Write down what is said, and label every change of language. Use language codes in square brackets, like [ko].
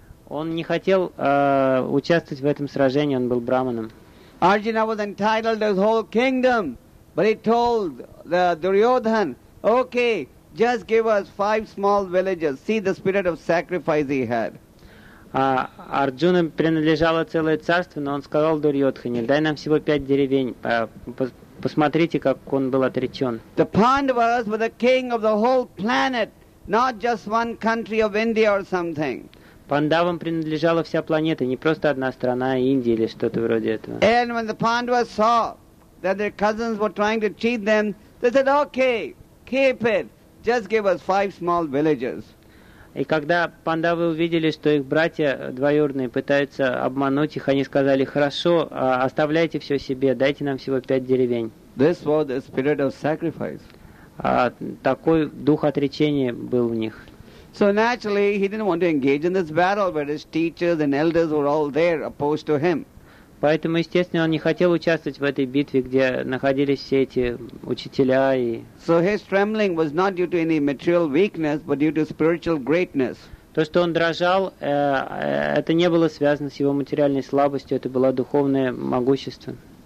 [ru] Он не хотел участвовать в этом сражении. Он был брахманом. [en] Arjuna was entitled to his whole kingdom, but he told the Duryodhan, "Okay, just give us 5 small villages. See the spirit of sacrifice he had." [ru] Арджуна принадлежало целое царство, но он сказал Дурьотхане, дай нам всего 5 деревень, посмотрите, как он был отречен. [en] The Pandavas were the king of the whole planet, not just one country of India or something. [ru] Пандавам принадлежала вся планета, не просто одна страна Индии или что-то вроде этого. [en] And when the Pandavas saw that their cousins were trying to cheat them, they said, okay, keep it, just give us 5 small villages. [ru] И когда пандавы увидели, что их братья двоюродные пытаются обмануть их, они сказали, хорошо, оставляйте все себе, дайте нам всего 5 деревень. [en] This was the spirit of sacrifice. [ru] Такой дух отречения был в них. [en] So naturally, he didn't want to engage in this battle, but his teachers and elders were all there opposed to him. [ru] Поэтому, естественно, он не хотел участвовать в этой битве, где находились все эти учителя и... [en] So his trembling was not due to any material weakness, but due to spiritual greatness. [ru] То, что он дрожал, это не было связано с его материальной слабостью, это было духовное могущество.